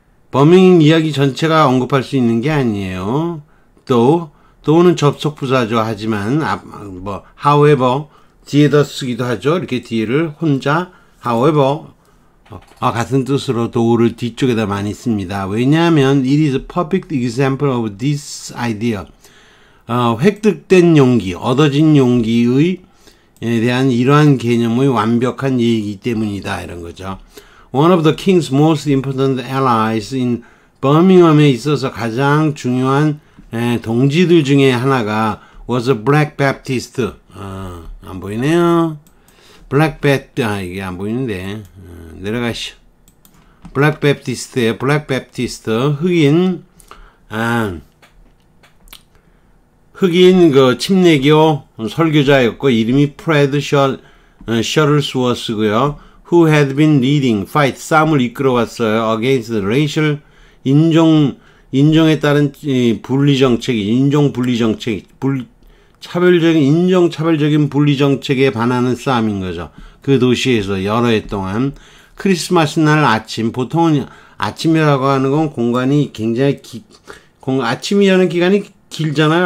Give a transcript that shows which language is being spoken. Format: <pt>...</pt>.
<ko>버밍엄 이야기 전체가 언급할 수 있는 게 아니에요. 또는 접속 부사죠. 하지만 뭐 however 뒤에다 쓰기도 하죠. 이렇게 뒤를 혼자 however 같은 뜻으로 도우를 뒤쪽에다 많이 씁니다. 왜냐하면</ko> <en>it is a perfect example of this idea.</en> <ko>획득된 용기, 얻어진 용기의 에 대한 이러한 개념의 완벽한 예이기 때문이다 이런 거죠.</ko> <en>One of the king's most important allies in Birmingham</en> <ko>에 있어서 가장 중요한 동지들 중에 하나가</ko> <en>was a Black Baptist.</en> <ko>안 보이네요. Black Baptist 이게 안 보이는데 내려가시오. Black Baptist에 Black Baptist 흑인 흑인 그 침례교 설교자였고 이름이 프레드 셔틀스워스고요.</ko> <en>Who had been leading fight</en> <ko>싸움을 이끌어왔어요.</ko> <en>Against the racial</en> <ko>인종에 따른 분리 정책이 인종 분리 정책 불 차별적인 인종 차별적인 분리 정책에 반하는 싸움인 거죠. 그 도시에서 여러 해 동안 크리스마스 날 아침 보통은 아침이라고 하는 건 공간이 굉장히 아침이라는 기간이 길잖아요.</ko>